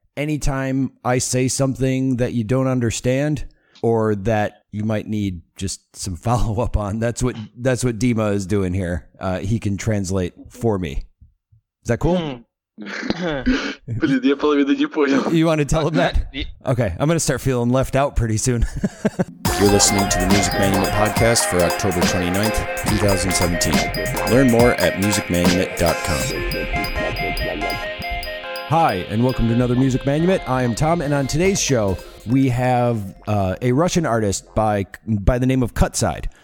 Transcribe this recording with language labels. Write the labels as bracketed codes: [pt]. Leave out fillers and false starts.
[en] anytime I say something that you don't understand or that you might need just some follow-up on, that's what Dima is doing here. He can translate for me. Is that cool? [ru] Блин, я половину не понял. [en] You want to tell him that? Okay, I'm going to start feeling left out pretty soon. You're listening to the Music Manumit podcast for October 29th, 2017. Learn more at musicmanumit.com. Hi, and welcome to another Music Manumit. I am Tom, and on today's show, we have a Russian artist by the name of Cutside.